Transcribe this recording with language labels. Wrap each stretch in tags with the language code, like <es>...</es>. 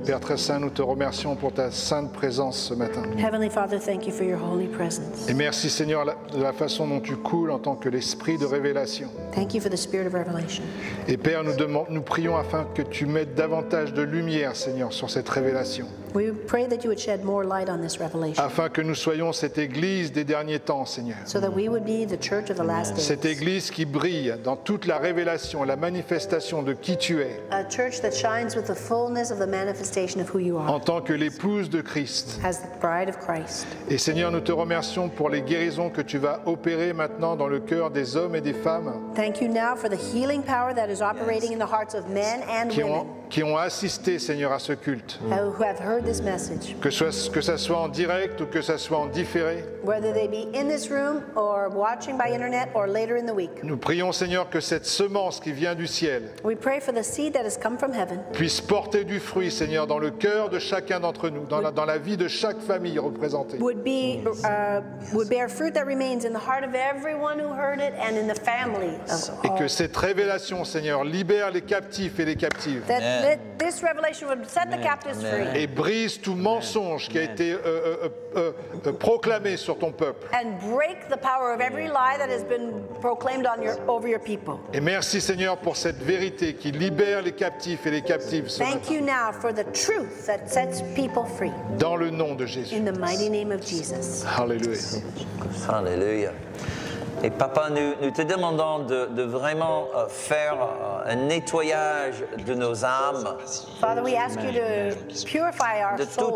<fr>Père très saint, nous te remercions pour ta sainte présence ce matin.</fr> <en>Heavenly Father, thank you for your holy presence.</en> <fr>Et merci Seigneur de la façon dont tu coules en tant que l'esprit de révélation.</fr> <en>Thank you for the spirit of revelation.</en> <fr>Et Père, nous prions afin que tu mettes davantage de lumière, Seigneur, sur cette révélation.</fr> <en>We pray that you would shed more light on this revelation.</en> <fr>Afin que nous soyons cette église des derniers temps, Seigneur.</fr> <en>So that we would be the church of the last days.</en> <fr>Cette église qui brille dans toute la révélation, la manifestation de qui tu es.</fr> <en>A church that shines with the fullness of the manifestation of who you are.</en> <fr>En tant que l'épouse de Christ.</fr> <en>As the bride of Christ.</en> <fr>Et Seigneur, nous te remercions pour les guérisons que tu vas opérer maintenant dans le cœur des hommes et des femmes.</fr> <en>Thank you now for the healing power that is operating in the hearts of men and women.</en> <fr>Qui ont assisté, Seigneur, à ce culte.</fr> <en>Who have heard this message.</en> <fr>Que ce soit en direct ou que ce soit en différé.</fr> <en>Whether they be in this room or watching by internet or later in the week.</en> <fr>Nous prions, Seigneur, que cette semence qui vient du ciel.</fr> <en>We pray for the seed that has come from heaven.</en> <fr>Puisse porter du fruit, Seigneur, dans le cœur de chacun d'entre nous, dans la vie de chaque famille représentée.</fr> <en>Would bear fruit that remains in the heart of everyone who heard it and in the family of all.</en> <fr>Et que cette révélation, Seigneur, libère les captifs et les captives.</fr> <en>That this revelation would set the captives free.</en> <fr>Et brise tout mensonge qui a été proclamé sur ton peuple.</fr> <en>And break the power of every lie that has been proclaimed on your, over your people.</en> <fr>Et merci Seigneur pour cette vérité qui libère les captifs et les captives.</fr> <en>Thank you now for the truth that sets people free.</en> <fr>Dans le nom de Jésus.</fr> <en>In the mighty name of Jesus. Hallelujah. Hallelujah.</en> <fr>Et Papa, nous te demandons de vraiment faire un nettoyage de nos âmes.</fr> <en>Father, we ask you to purify our souls.</en>